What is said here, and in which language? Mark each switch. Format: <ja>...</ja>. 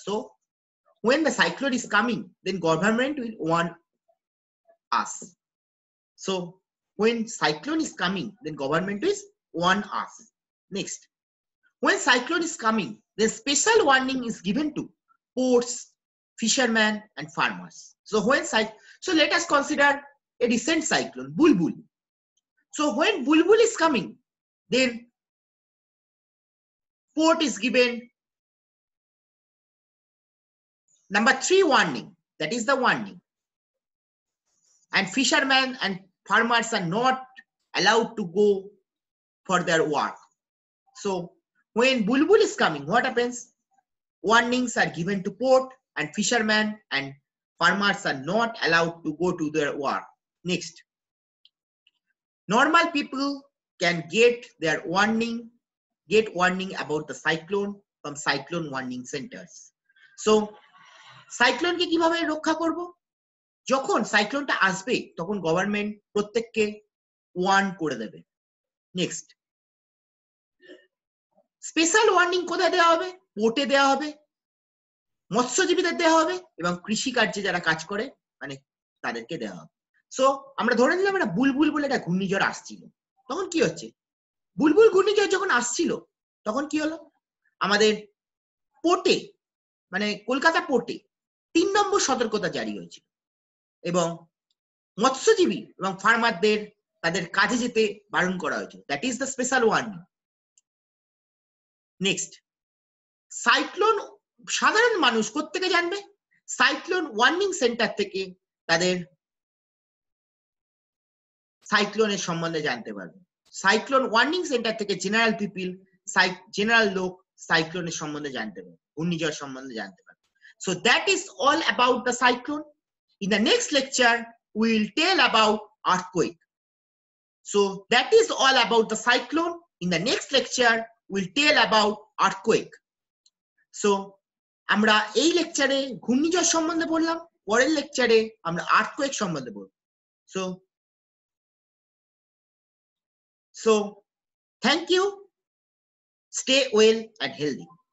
<en>So when the cyclone is coming, then government will warn us. সো when cyclone is coming, then government is warn us. Next, when cyclone is coming, the special warning is given to ports, fishermen and farmers. So let us consider a recent cyclone, Bulbul. So when Bulbul is coming, then port is given number 3 warning, that is the warning, and fishermen and farmers are not allowed to go for their work. So when Bulbul is coming, what happens? Warnings are given to port and fishermen and farmers are not allowed to go to their work. Next, normal people can get warning about the cyclone from cyclone warning centers.</en> <bn>So cyclone ke kibhabe rokkha korbo? যখন সাইক্লোনটা আসবে তখন government প্রত্যেককে Warne করে দেবে। Next, special warning কোথায় দেওয়া হবে? পোর্টে দেওয়া হবে, মৎস্যজীবীদের দেওয়া হবে এবং কৃষিকার্যে যারা কাজ করে মানে তাদেরকে দেওয়া হবে। সো আমরা ধরে নিলাম একটা বুলবুল বলে একটা ঘূর্ণিঝড় আসছিল, তখন কি হচ্ছে? বুলবুল ঘূর্ণিঝড় যখন আসছিল তখন কি হলো? আমাদের পোর্টে, মানে কলকাতা পোর্টে 3 নম্বর সতর্কতা জারি হয়েছিল এবং মৎস্যজীবী এবং ফার্মারদের তাদের কাজে যেতে বারণ করা হয়েছিল।</bn> <en>That is the special warning. Next, cyclone</en> <bn>সাধারণ মানুষ কোত্থেকে জানবে? সাইক্লোন ওয়ার্নিং সেন্টার থেকে তাদের সাইক্লোনের সম্বন্ধে জানতে পারবে। সাইক্লোন ওয়ার্নিং সেন্টার থেকে</bn> <en>general people,</en> <bn>জেনারেল লোক সাইক্লোনের সম্বন্ধে জানতে পারবে, ঘূর্ণিঝড় সম্বন্ধে জানতে পারবে।</bn> <en>So that is all about the cyclone. In the next lecture, we will tell about earthquake. So that is all about the cyclone. In the next lecture, we'll tell about earthquake.</en> <bn>So আমরা এই লেকচারে ঘূর্ণিঝড় সম্বন্ধে বললাম, পরের লেকচারে আমরা earthquake সম্বন্ধে বলব।</bn> <en>So thank you, stay well and healthy.</en>